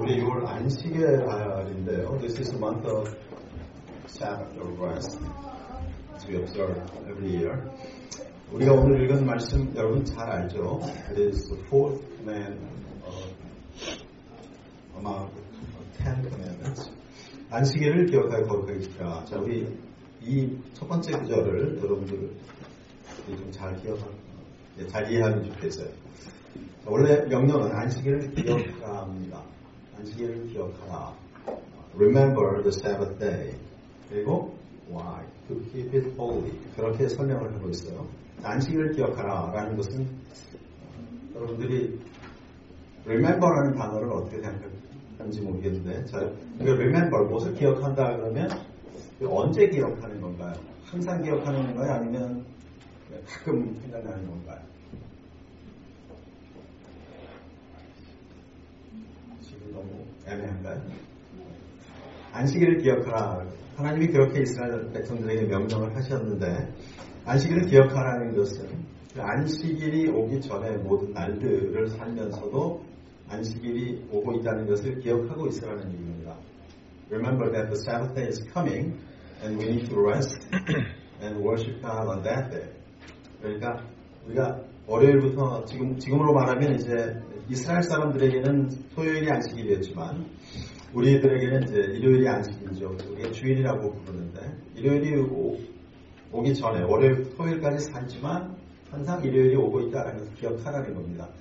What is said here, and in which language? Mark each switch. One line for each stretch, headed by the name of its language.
Korean: 우리 6월 안식의 날인데요.
English: This is the month of Sabbath or rest to be observed every year.
Korean: 우리가 오늘 읽은 말씀 여러분 잘 알죠?
English: It is the fourth man among ten commandments.
Korean: 안식일을 기억할 것입니다. 자, 우리 이 첫 번째 구절을 여러분들이 좀 잘 기억하고 잘 이해하면 좋겠어요. 원래 명령은 안식일을 기억하라입니다. 안식일을 기억하라.
English: Remember the Sabbath day.
Korean: 그리고
English: why? To keep it holy.
Korean: 그렇게 설명을 하고 있어요. 안식일을 기억하라라는 것은 여러분들이 remember라는 단어를 어떻게 생각하는지 모르겠는데, 자, remember 무엇을 기억한다 그러면 언제 기억하는 건가요? 항상 기억하는 건가요? 아니면 가끔 생각나는 건가요? 지금 너무 애매한가요? 안식일을 기억하라. 하나님이 그렇게 이스라엘 백성들에게 명령을 하셨는데, 안식일을 기억하라는 것은 그 안식일이 오기 전에 모든 날들을 살면서도 안식일이 오고 있다는 것을 기억하고 있으라는 얘기입니다.
English: Remember that the Sabbath day is coming and we need to rest and worship God on that day.
Korean: 그러니까 우리가 월요일부터 지금으로 말하면 이제 이스라엘 사람들에게는 토요일이 안식일이었지만 우리들에게는 이제 일요일이 안식일이죠. 우리가 주일이라고 부르는데 일요일이 오기 전에 월요일 토요일까지 살지만 항상 일요일이 오고 있다는 것을 기억하라는 겁니다.